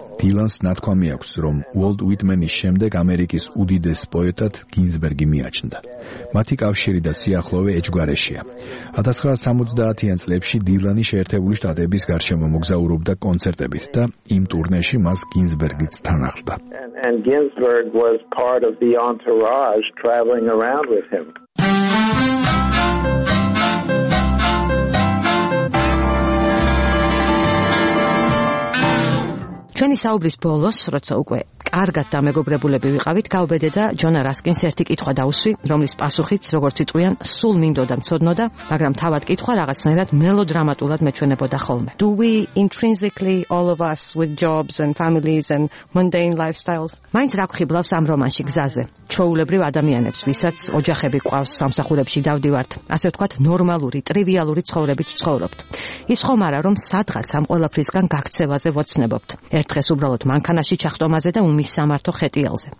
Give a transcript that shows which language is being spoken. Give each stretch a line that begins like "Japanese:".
Georgian: Dylan-ს ნათქვამი აქვს, რომ Walt Whitman-ის შემდეგ ამერიკის უდიდეს პოეტად Ginsberg-ი მიაჩნდა. მათი კავშირი და სიახლოვე ეჯგვარეშია. 1970-იან წლებში Dylan-ი შეერთებული შტატების გარშემო მოგზაურობდა კონცერტებით და იმ ტურნეში მას Ginsberg-იც თან ახლდა.
English: And Ginsberg was part of the entourage traveling around with him.
Georgian: ჩვენი საუბრის ბოლოს, როცა უკვე კარგად დამეგობრებულები ვიყავით, გაუბედე და ჯონა რასკინს ერთი კითხვა დაუსვი, რომლის პასუხიც, როგორც იტყვიან, სულ მინდოდა მცოდნოდა, მაგრამ თავად კითხვა რაღაცნაირად მელოდრამატულად მეჩვენებოდა ხოლმე.
English: Do we intrinsically all of us with jobs and families and mundane lifestyles?
Georgian: მაინც რა გვხიბლავს ამ რომანში გზაზე? ჩვეულებრივ ადამიანებს, ვისაც ოჯახები ყავს, სამსახურებში დავდივართ, ასე ვთქვათ, ნორმალური, ტრივიალური ცხოვრებით ცხოვრობთ. ის ხომ არა, რომ სადღაც ამ ყველაფრისგან გაქცევაზე ვოცნებობთ. ერთ დღეს უბრალოდ მანქანაში ჩახტომაზე და მის სამართო ხეტიალზე.